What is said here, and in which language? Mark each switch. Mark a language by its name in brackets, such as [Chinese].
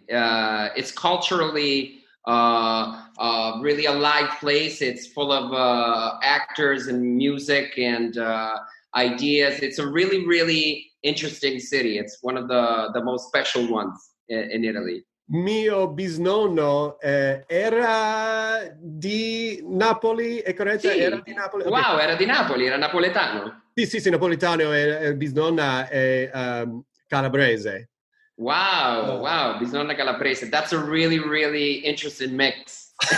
[English] It's culturally really a live place. It's full of actors and music and. Ideas. It's a really, really interesting city. It's one of the most special ones in Italy. [Italian] Mio bisnonno era di Napoli, è corretto? Sì. Era di Napoli. Okay. Wow, era di Napoli, era napoletano. Sì, sì, sì, napoletano e bisnonna è calabrese. Wow, bisnonna calabrese. [English] That's a really, really interesting mix.